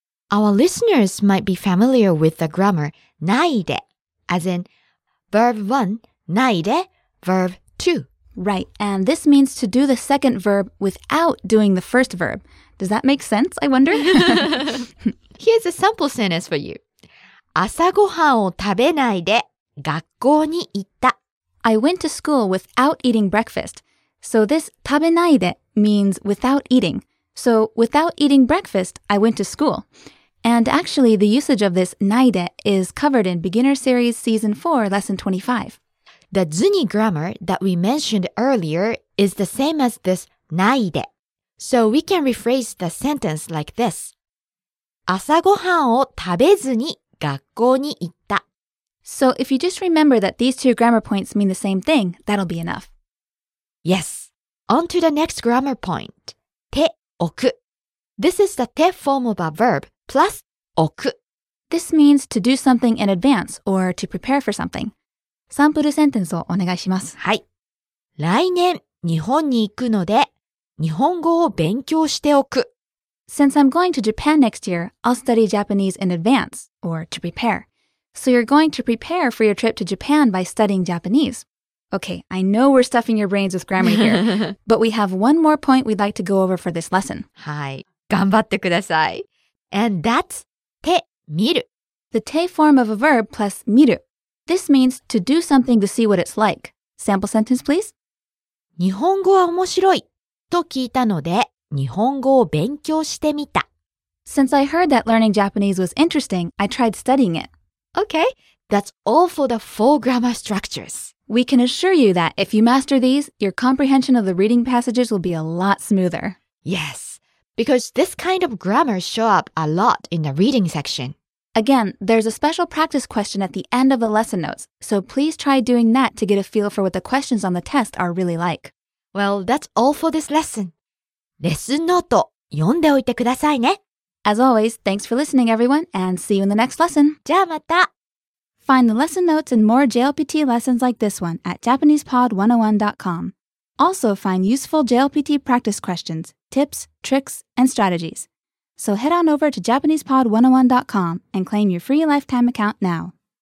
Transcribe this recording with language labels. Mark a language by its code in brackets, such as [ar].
[en] Our listeners might be familiar with the grammar naide, as in verb 1, naide, verb 2. Right, and this means to do the second verb without doing the first verb. Does that make sense, I wonder? Here's a sample sentence for you. [ja] 朝ごはんを食べないで学校に行った。 [en] I went to school without eating breakfast. So this 食べないで means without eating. So without eating breakfast, I went to school. And actually, the usage of this ないで is covered in Beginner Series Season 4, Lesson 25. The zuni grammar that we mentioned earlier is the same as this ないで。 So we can rephrase the sentence like this. [ja] 朝ごはんを食べずに学校に行った。 [en] So if you just remember that these two grammar points mean the same thing, that'll be enough. Yes. On to the next grammar point. 手置く。 This is the 手 form of a verb plus 置く。 This means to do something in advance or to prepare for something. [ja] サンプルセンテンスをお願いします。はい。来年日本に行くので日本語を勉強しておく。 [en] Since I'm going to Japan next year, I'll study Japanese in advance, or to prepare. So you're going to prepare for your trip to Japan by studying Japanese. Okay, I know we're stuffing your brains with grammar here, but we have one more point we'd like to go over for this lesson. [ja] はい、頑張ってください。 [en] And that's 手見る。 The 手 form of a verb plus 見る。 This means to do something to see what it's like. Sample sentence, please. [ja] 日本語は面白い。と聞いたので、日本語を勉強してみた。 [en] Since I heard that learning Japanese was interesting, I tried studying it. Okay, that's all for the four grammar structures. We can assure you that if you master these, your comprehension of the reading passages will be a lot smoother. Yes, because this kind of grammar show up a lot in the reading section. Again, there's a special practice question at the end of the lesson notes, so please try doing that to get a feel for what the questions on the test are really like. Well, that's all for this lesson. [ja] レッスンノート読んでおいてくださいね。 [en] As always, thanks for listening, everyone, and see you in the next lesson. [ja] じゃあまた。 [en] Find the lesson notes and more JLPT lessons like this one at JapanesePod101.com. Also, find useful JLPT practice questions, tips, tricks, and strategies. So head on over to JapanesePod101.com and claim your free lifetime account now.